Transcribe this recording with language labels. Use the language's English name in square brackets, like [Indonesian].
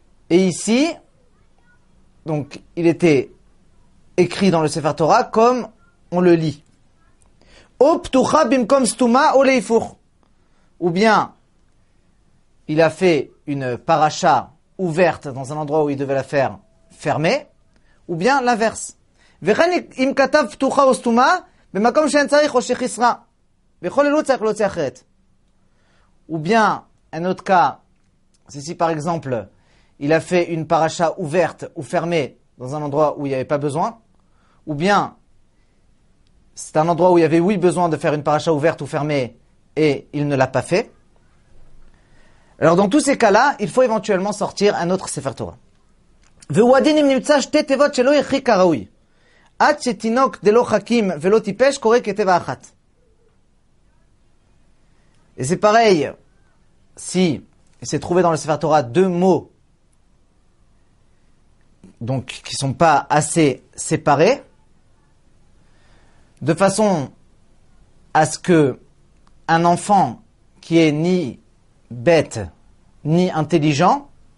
[French] Et ici, donc il était écrit dans le Sefer Torah comme on le lit. [Hebrew] O ptucha bimkom stuma o leifur. [French] Ou bien il a fait une paracha ouverte dans un endroit où il devait la faire fermée. Ou bien l'inverse. [Hebrew] וכן אם כתב פתוחה או סתומה, במקום שאין צריך או שחיסרה. בכל אלו צריך להוציא אחרת. [French] Ou bien, un autre cas, c'est si par exemple, il a fait une paracha ouverte ou fermée dans un endroit où il n'y avait pas besoin. Ou bien, c'est un endroit où il y avait oui besoin de faire une paracha ouverte ou fermée et il ne l'a pas fait. Alors dans tous ces cas-là, il faut éventuellement sortir un autre Sefer Torah. [Hebrew] וועדין אם נמצא שתי תיבות שלא יחיק כראוי. עד שתינוק דלא חכים ולא טיפש קורא כתיבה אחת. [French] Et c'est pareil, si il s'est trouvé dans le Sefer Torah deux mots donc qui ne sont pas assez séparés, de façon à ce que un enfant qui est ni bête ni intelligent